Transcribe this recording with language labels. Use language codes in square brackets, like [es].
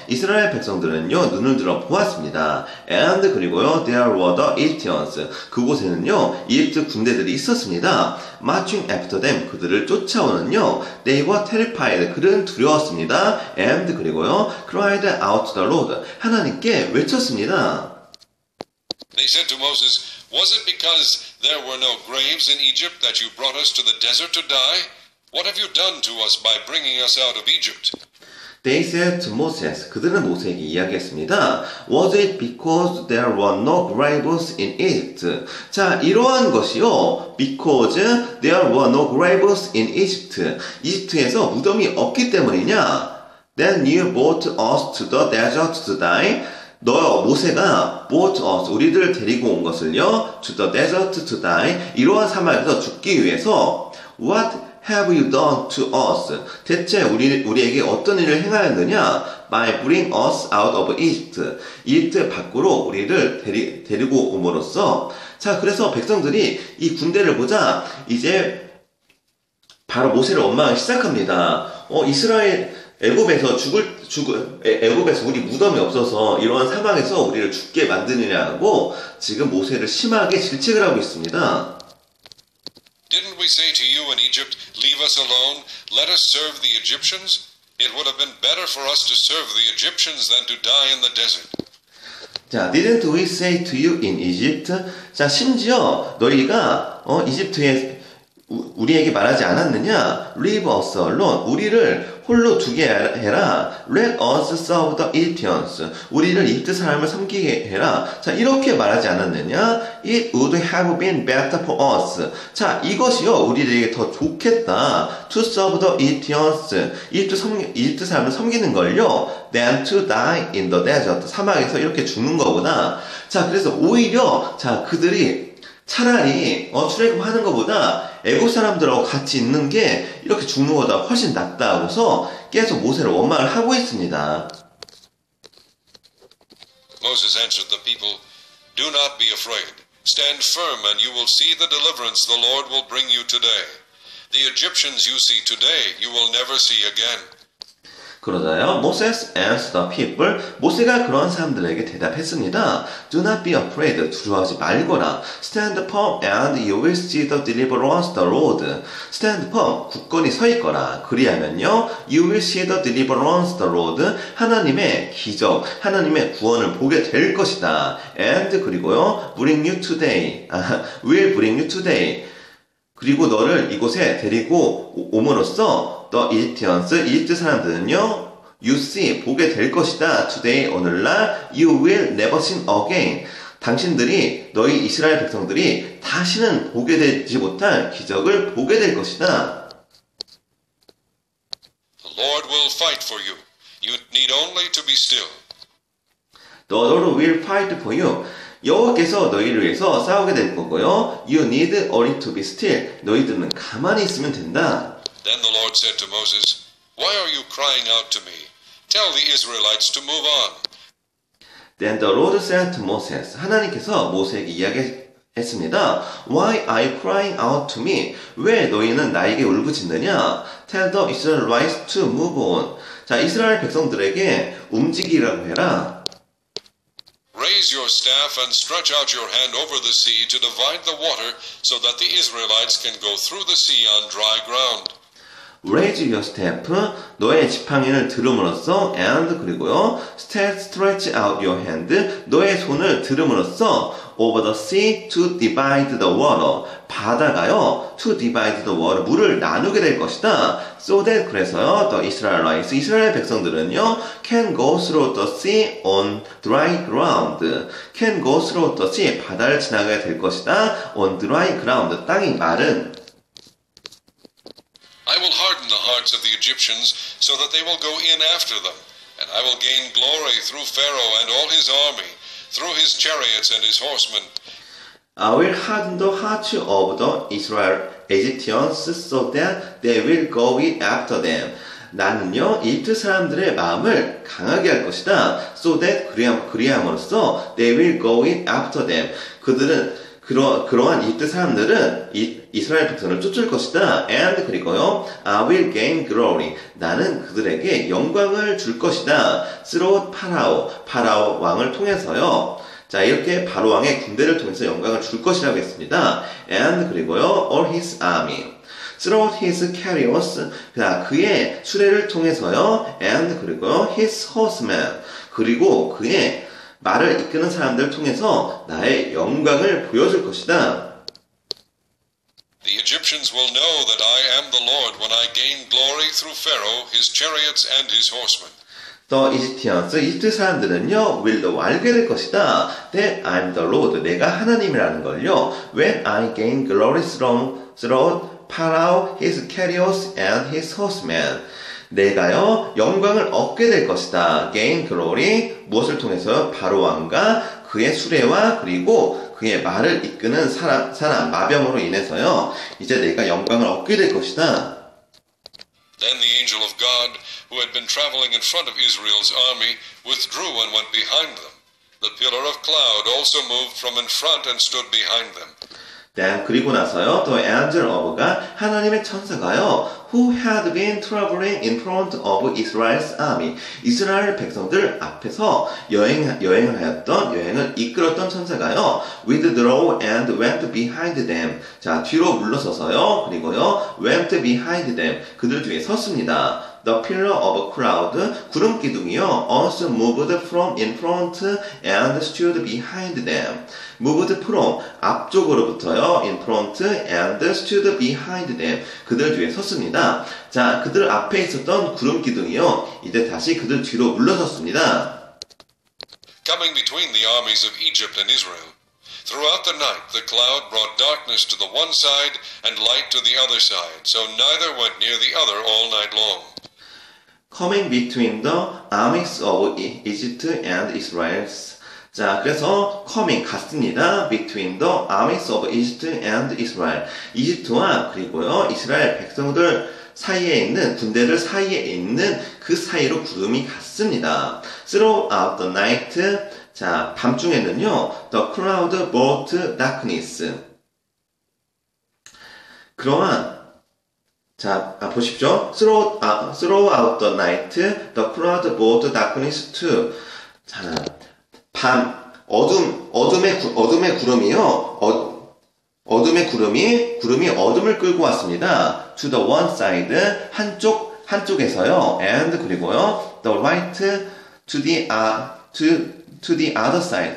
[ko] 이스라엘 백성들은요, 눈을 들어 보았습니다. [en] And, [ko] 그리고요, [en] there were the Egyptians. [ko] 그곳에는요, 이집트 군대들이 있었습니다. [en] Marching after them, [ko] 그들을 쫓아오는요, [en] they were terrified. [ko] 그들은 두려웠습니다. [en] And, [ko] 그리고요, [en] cried out to the Lord. [ko] 하나님께 외쳤습니다. [en] They said to Moses, Was it because there were no graves in Egypt that you brought us to the desert to die? What have you done to us by bringing us out of Egypt? They said to Moses, [ko] 그들은 모세에게 이야기했습니다. [en] Was it because there were no graves in Egypt? [ko] 자, 이러한 것이요. [en] Because there were no graves in Egypt. [ko] 이집트에서 무덤이 없기 때문이냐? [en] Then you brought us to the desert to die. [ko] 너 모세가 [en] brought us [ko] 우리들을 데리고 온 것을요 [en] to the desert to die [ko] 이러한 사막에서 죽기 위해서 [en] what have you done to us [ko] 대체 우리에게 어떤 일을 행하였느냐 [en] by bring us out of Egypt [ko] 이집트 밖으로 우리를 데리고 옴으로써 자 그래서 백성들이 이 군대를 보자 이제 바로 모세를 원망하기 시작합니다 이스라엘 애굽에서 애굽에서 우리 무덤이 없어서 이러한 사막에서 우리를 죽게 만드느냐고 지금 모세를 심하게 질책을 하고 있습니다. [en] Didn't we say to you in Egypt, leave us alone, let us serve the Egyptians? It would have been better for us to serve the Egyptians than to die in the desert. 자, didn't we say to you in Egypt? [ko] 자, 심지어 너희가 이집트에 우리에게 말하지 않았느냐? [en] Leave us alone. [ko] 우리를 홀로 두게 해라. [en] Let us serve the Egyptians. [ko] 우리를 이집트 사람을 섬기게 해라. 자, 이렇게 말하지 않았느냐? [en] It would have been better for us. [ko] 자, 이것이요. 우리들에게 더 좋겠다. [en] To serve the Egyptians. [ko] 이집트 사람을 섬기는 걸요. [en] Than to die in the desert. [ko] 사막에서 이렇게 죽는 거구나. 자, 그래서 오히려, 자, 그들이 차라리 출애굽하는 것보다 애굽 사람들하고 같이 있는 게 이렇게 죽는 것보다 훨씬 낫다 하고서 계속 모세를 원망을 하고 있습니다. [en] Moses answered the people, Do not be afraid. Stand firm and you will see the deliverance the Lord will bring you today. The Egyptians you see today, you will never see again. [ko] 그러자요, [en] Moses answered the people. [ko] 모세가 그런 사람들에게 대답했습니다. [en] Do not be afraid. [ko] 두려워하지 말거라. [en] Stand firm and you will see the deliverance the Lord. Stand firm. [ko] 굳건히 서 있거라. 그리하면요, [en] you will see the deliverance the Lord. [ko] 하나님의 기적, 하나님의 구원을 보게 될 것이다. [en] And [ko] 그리고요, [en] bring you today. will bring you today. [ko] 그리고 너를 이곳에 데리고 오므로써 [en] The Egyptians, [ko] 이집트 사람들은요, [en] You see, [ko] 보게 될 것이다. [en] Today, [ko] 오늘날, [en] You will never see again. [ko] 당신들이, 너희 이스라엘 백성들이 다시는 보게 되지 못할 기적을 보게 될 것이다. [en] The Lord will fight for you. You need only to be still. The Lord will fight for you. [ko] 여호와께서 너희를 위해서 싸우게 될 거고요. [en] You need only to be still. [ko] 너희들은 가만히 있으면 된다. [en] Then the Lord said to Moses, Why are you crying out to me? Tell the Israelites to move on. Then the Lord said to Moses, [ko] 하나님께서 모세에게 이야기했습니다. [en] Why are you crying out to me? [ko] 왜 너희는 나에게 울부짖느냐? [en] Tell the Israelites to move on. [ko] 자, 이스라엘 백성들에게 움직이라고 해라. [en] Raise your staff and stretch out your hand over the sea to divide the water so that the Israelites can go through the sea on dry ground. Raise your staff, [ko] 너의 지팡이를 들음으로써, [en] and [ko] 그리고요, [en] stretch out your hand, [ko] 너의 손을 들음으로써, [en] over the sea to divide the water, [ko] 바다가요, [en] to divide the water, [ko] 물을 나누게 될 것이다. [en] So that, [ko] 그래서요, [en] the Israelites, [ko] 이스라엘 백성들은요, [en] can go through the sea on dry ground, can go through the sea, [ko] 바다를 지나가게 될 것이다. [en] On dry ground, [ko] 땅이 마른, [en] I will harden the hearts of the Egyptians so that they will go in after them. And I will gain glory through Pharaoh and all his army, through his chariots and his horsemen. I will harden the hearts of the Israel Egyptians so that they will go in after them. [ko] 나는요, 이집트 사람들의 마음을 강하게 할 것이다. [en] So that [ko] 그리함으로써 [en] they will go in after them. [ko] 그들은 그러한 이집트 사람들은 이스라엘 백성을 쫓을 것이다. [en] And [ko] 그리고요, [en] I will gain glory. [ko] 나는 그들에게 영광을 줄 것이다. [en] Through [ko] 파라오 왕을 통해서요. 자, 이렇게 바로 왕의 군대를 통해서 영광을 줄 것이라고 했습니다. [en] And [ko] 그리고요, [en] all his army. Through his chariots. [ko] 그의 수레를 통해서요. [en] And [ko] 그리고요, [en] his horsemen. [ko] 그리고 그의 말을 이끄는 사람들을 통해서 나의 영광을 보여줄 것이다. [en] The Egyptians will know that I am the Lord when I gain glory through Pharaoh, his chariots, and his horsemen. The Egyptians, [ko] 이집트 사람들은요, [en] will know, [ko] 알게 될 것이다. [en] That I'm the Lord, [ko] 내가 하나님이라는 걸요. [en] When I gain glory through Pharaoh, his chariots, and his horsemen. [ko] 내가요, 영광을 얻게 될 것이다. [en] Gain glory, [ko] 무엇을 통해서 바로 왕과 그의 수레와 그리고 그의 말을 이끄는 사람 마병으로 인해서요, 이제 내가 영광을 얻게 될 것이다. [en] Then the angel of God, who had been traveling in front of Israel's army, withdrew and went behind them. The pillar of cloud also moved from in front and stood behind them. Then, [ko] 그리고 나서요, [en] the angel of God, [ko] 하나님의 천사가요, [en] who had been traveling in front of Israel's army, [ko] 이스라엘 백성들 앞에서 여행을 이끌었던 천사가요, [en] withdrew and went behind them. [ko] 자, 뒤로 물러서서요, 그리고요, [en] went behind them. [ko] 그들 뒤에 섰습니다. [en] The pillar of cloud, [ko] 구름 기둥이요, [en] also moved from in front and stood behind them. Moved from, [ko] 앞쪽으로부터요, [en] in front and stood behind them. [ko] 그들 뒤에 섰습니다. 자, 그들 앞에 있었던 구름 기둥이요, 이제 다시 그들 뒤로 물러섰습니다. [en] Coming between the armies of Egypt and Israel, throughout the night the cloud brought darkness to the one side and light to the other side, so neither went near the other all night long. Coming between the armies of Egypt and Israel. [ko] 자, 그래서 [en] coming, [ko] 갔습니다. [en] Between the armies of Egypt and Israel. [ko] 이집트와 그리고요, 이스라엘 백성들 사이에 있는, 군대들 사이에 있는 그 사이로 구름이 갔습니다. [en] Throughout the night. [ko] 자, 밤중에는요, [en] the cloud brought darkness. [ko] 그러한, 자, 아, 보십시오. [en] Throughout the night, the cloud brought darkness to. [ko] 자, 밤, 어둠의 구름이 어둠을 끌고 왔습니다. [en] To the one side, [ko] 한쪽에서요. [en] And, [ko] 그리고요. [en] The right, to the other side.